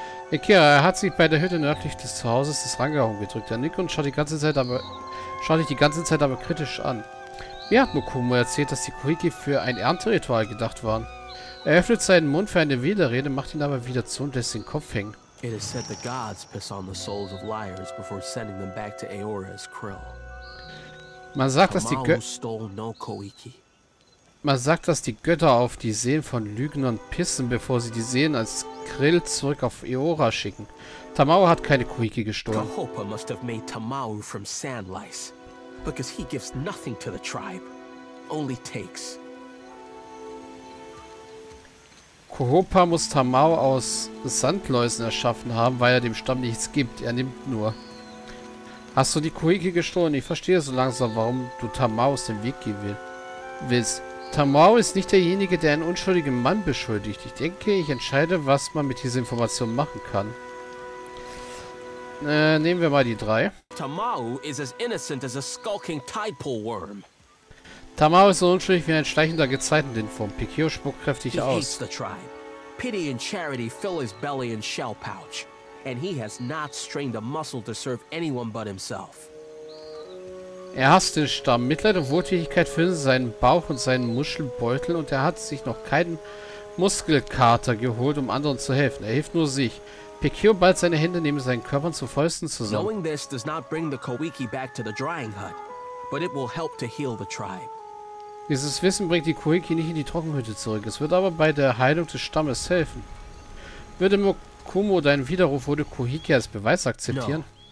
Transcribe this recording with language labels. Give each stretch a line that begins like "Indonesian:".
German: Ikira, er hat sich bei der Hütte nördlich des Zuhauses des Ranga umgedrückt. Der Nikon schaut dich die ganze Zeit aber kritisch an. Mir hat Mokumo erzählt, dass die Kuiki für ein Ernteritual gedacht waren. Er öffnet seinen Mund für eine Widerrede, macht ihn aber wieder zu und lässt den Kopf hängen.
English: It is said the gods piss on the souls of liars before sending them back to Aora as krill.
German: Man sagt, dass die Götter auf die Seelen von Lügnern pissen, bevor sie die Seelen als Krill zurück auf Aora schicken. Tamao hat keine Kuiki gestohlen.
English: Kahopa must have made Tamao from sandlice, because he gives nothing to the tribe, only takes.
German: Kohopa muss Tamao aus Sandläusen erschaffen haben, weil er dem Stamm nichts gibt. Er nimmt nur. Hast du die Kuiki gestohlen? Ich verstehe so langsam, warum du Tamao aus dem Weg gehen willst. Tamao ist nicht derjenige, der einen unschuldigen Mann beschuldigt. Ich denke, ich entscheide, was man mit dieser Information machen kann. Nehmen wir mal die drei. Tamao ist
English: as innocent as a skulking tidepool worm.
German: Tamao ist so unschuldig wie ein schleichender Gezeitenlinform. Pikio spuckt kräftig aus.
English: Pity and charity fill his belly and shell pouch. And he has not strained a muscle to serve anyone but himself.
German: Er hasst den Stamm. Mitleid und Wohltätigkeit füllen seinen Bauch und seinen Muschelbeutel und er hat sich noch keinen Muskelkater geholt, um anderen zu helfen. Er hilft nur sich. Pikio ballt seine Hände neben seinen Körpern zu Fäusten zusammen.
English: Knowing this does not bring the Kowiki back to the drying hut, but it will help to heal the tribe.
German: Dieses Wissen bringt die Kuiki nicht in die Trockenhütte zurück. Es wird aber bei der Heilung des Stammes helfen. Würde Mokumo deinen Widerruf ohne Kuiki als Beweis akzeptieren?